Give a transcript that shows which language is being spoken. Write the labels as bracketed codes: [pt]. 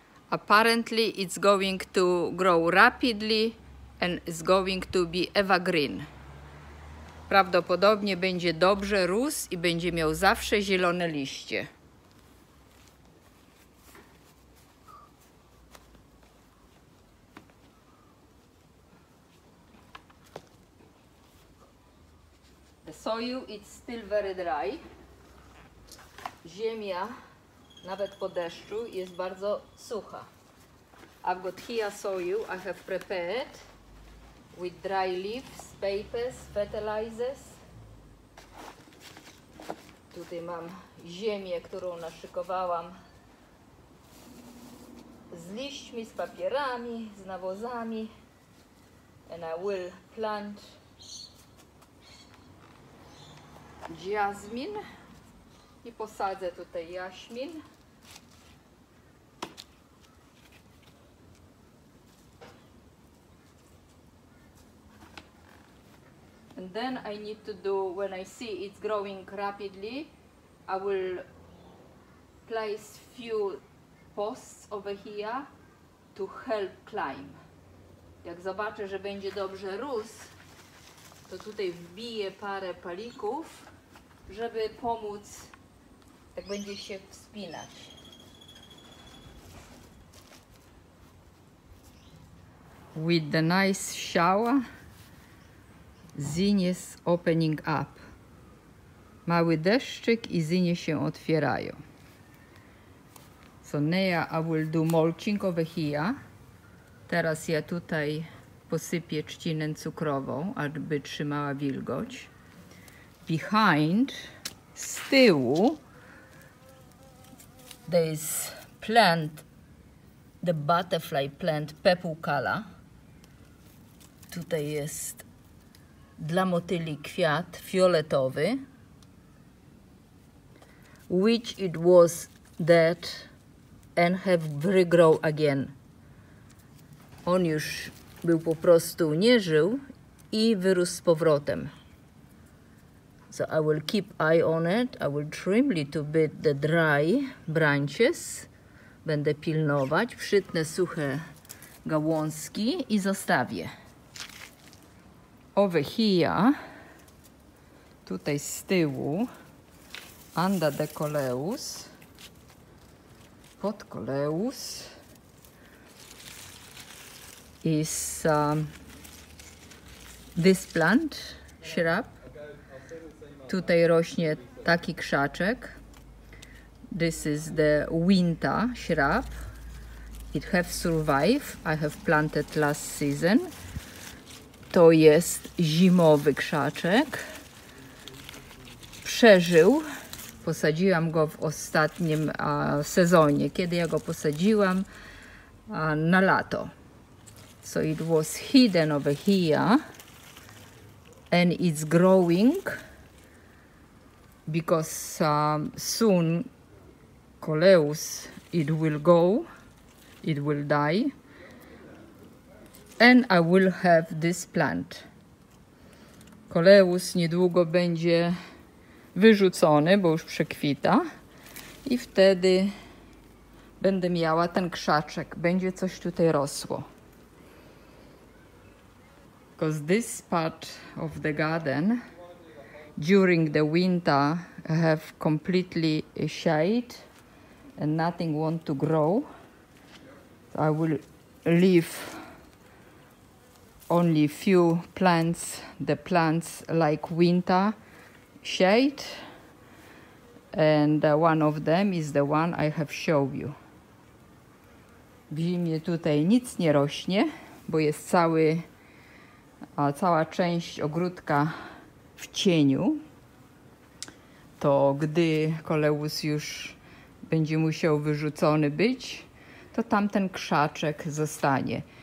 [en] Apparently it's going to grow rapidly and it's going to be evergreen. [pl] Prawdopodobnie będzie dobrze rósł i będzie miał zawsze zielone liście. [en] The soil is still very dry. [pl] Ziemia nawet po deszczu jest bardzo sucha. [en] I've got chia soil I have prepared with dry leaves, papers, fertilizers. [pl] Tutaj mam ziemię, którą naszykowałam z liśćmi, z papierami, z nawozami. [en] And I will plant jasmin [pl] i posadzę tutaj jaśmin. [en] And then I need to do, when I see it's growing rapidly, I will place few posts over here to help climb. [pl] Jak zobaczę, że będzie dobrze rósł, to tutaj wbiję parę palików, żeby pomóc, jak będzie się wspinać. [en] With the nice shower, zinie is opening up. [pl] Mały deszczyk i zinie się otwierają. [en] So now I will do mulching over here. [pl] Teraz ja tutaj posypię trzcinę cukrową, aby trzymała wilgoć. [en] Behind, [pl] z tyłu, [en] there is plant, the butterfly plant, pepukala. [pl] Tutaj jest dla motyli kwiat fioletowy, [en] which it was dead and have regrow again. [pl] On już był po prostu, nie żył i wyrósł z powrotem. [en] So I will keep eye on it, I will trim little bit the dry branches. [pl] Będę pilnować, przytnę suche gałązki i zostawię. [en] Over here, [pl] tutaj z tyłu, [en] under the coleus, [pl] pod coleus, [en] is this plant, shrub. [pl] Tutaj rośnie taki krzaczek. [en] This is the winter shrub. It have survived. I have planted last season. [pl] To jest zimowy krzaczek. Przeżył. Posadziłam go w ostatnim sezonie, kiedy ja go posadziłam na lato. [en] So it was hidden over here. And it's growing. Because soon coleus, it will go, it will die. And I will have this plant. [pl] Coleus niedługo będzie wyrzucony, bo już przekwita. I wtedy będę miała ten krzaczek. Będzie coś tutaj rosło. [en] Because this part of the garden during the winter have completely shade and nothing want to grow. I will leave only few plants, the plants like winter shade, and one of them is the one I have shown you. [pl] W zimie tutaj nic nie rośnie, bo jest cała część ogródka w cieniu. To gdy coleus już będzie musiał wyrzucony być, to tamten krzaczek zostanie.